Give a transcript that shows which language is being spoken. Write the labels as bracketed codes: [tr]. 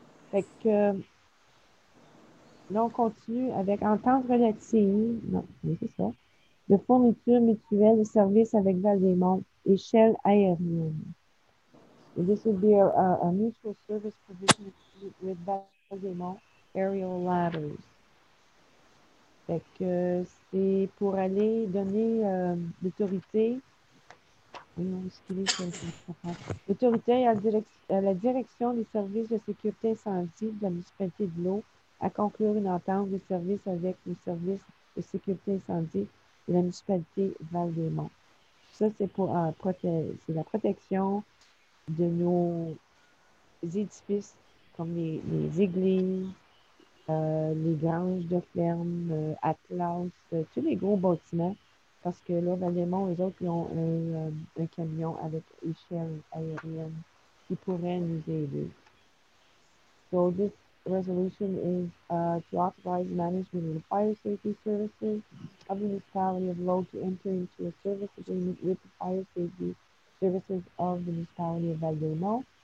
[fr] Fait que, là, on continue avec entente relative. Non, c'est ça. De fourniture mutuelle de services avec Valdémont, échelle aérienne. And this would be a mutual service provision with Valdémont, aerial ladders. Fait que, c'est pour aller donner l'autorité. L'autorité à la direction des services de sécurité incendie de la municipalité de l'eau à conclure une entente de service avec le service de sécurité incendie de la municipalité Valdémont. Ça, c'est pour c'est la protection de nos édifices comme les églises, les granges de ferme, Atlas, tous les gros bâtiments. Parce que là, Valdémont, eux autres, ils ont un camion avec échelle aérienne qui pourrait nous aider. [en] So, this resolution is to authorize management of the fire safety services of the municipality of Lowe to enter into a service agreement with the fire safety services of the municipality of Valdémont.